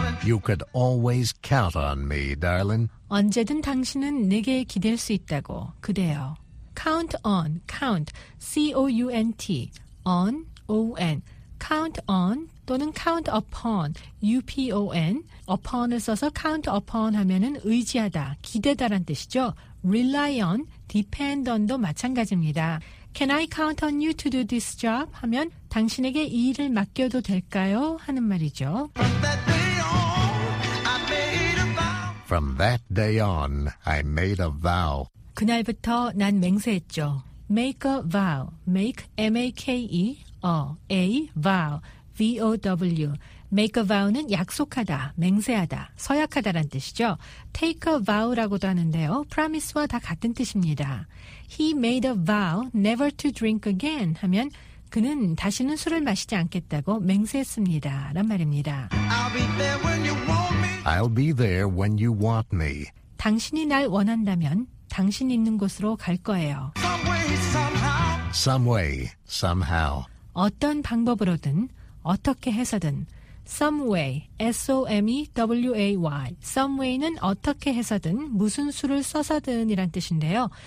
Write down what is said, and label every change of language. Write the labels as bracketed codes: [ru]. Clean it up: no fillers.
[en] You could always count on me, darling. [ko] 언제든 당신은 내게 기댈 수 있다고, 그대여. [en] Count on, count, C-O-U-N-T, on, O-N. Count on [ko] 또는 [en] count upon, U-P-O-N. [ko] Upon을 써서 [en] count upon [ko] 하면은 의지하다, 기대다란 뜻이죠. [en] Rely on, depend on도 [ko] 마찬가지입니다. [en] Can I count on you to do this job? [ko] 하면 당신에게 이 일을 맡겨도 될까요? 하는 말이죠. [en] From that day on, I made a vow. [ko] 그날부터 난 맹세했죠. [en] Make a vow. Make, M-A-K-E, a vow, V-O-W. Make a vow [ko] 는 약속하다, 맹세하다, 서약하다란 뜻이죠. [en] Take a vow [ko] 라고도 하는데요. Promise와 다 같은 뜻입니다. [en] He made a vow never to drink again [ko] 하면 그는 다시는 술을 마시지 않겠다고 맹세했습니다. 라는 말입니다. [en] I'll be there when you want me. I'll be there when you want me. [ko] 당신이 날 원한다면 당신 있는 곳으로 갈 거예요. [en] Some way, somehow. Some way, somehow. [ko] 어떤 방법으로든, 어떻게 해서든. [en] Some way, S-O-M-E-W-A-Y. Some way [ko] 는 어떻게 해서든, 무슨 수를 써서든이란 뜻인데요.